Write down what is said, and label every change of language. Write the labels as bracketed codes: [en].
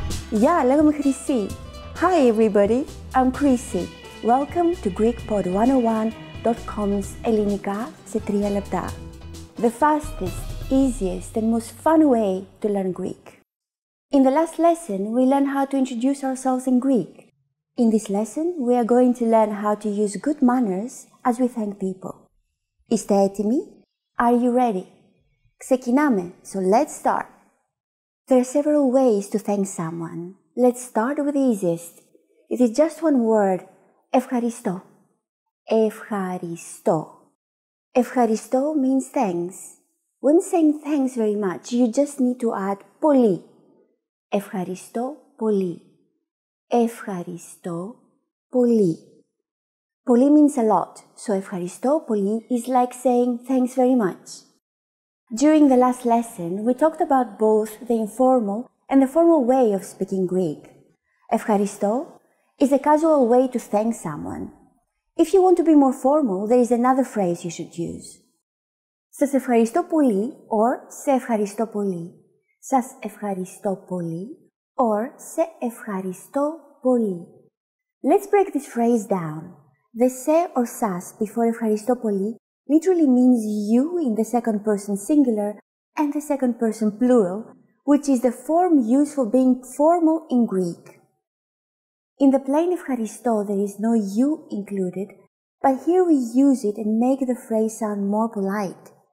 [el] Γεια, λέγομαι Χρυσή. [en] Hi everybody, I'm Chrissy. Welcome to GreekPod101.com's [el] Ελληνικά σε 3 λεπτά. [en] The fastest, easiest and most fun way to learn Greek. In the last lesson, we learned how to introduce ourselves in Greek. In this lesson, we are going to learn how to use good manners as we thank people. [el] Είστε έτοιμοι? [en] Are you ready? [el] Ξεκινάμε, [en] so let's start. There are several ways to thank someone. Let's start with the easiest. It is just one word. [el] Ευχαριστώ. Ευχαριστώ. [en] Ευχαριστώ means thanks. When saying thanks very much, you just need to add πολύ. [el] Ευχαριστώ πολύ. Ευχαριστώ πολύ. [en] Πολύ means a lot, so [el] ευχαριστώ πολύ [en] is like saying thanks very much. During the last lesson, we talked about both the informal and the formal way of speaking Greek. Ευχαριστώ is a casual way to thank someone. If you want to be more formal, there is another phrase you should use. [el] Σας ευχαριστώ πολύ or σε ευχαριστώ πολύ. Σας ευχαριστώ πολύ or σε ευχαριστώ πολύ. [en] Let's break this phrase down. The σε or σας before [el] ευχαριστώ πολύ [en] literally means you in the second person singular and the second person plural, which is the form used for being formal in Greek. In the plain ευχαριστώ, there is no you included, but here we use it and make the phrase sound more polite.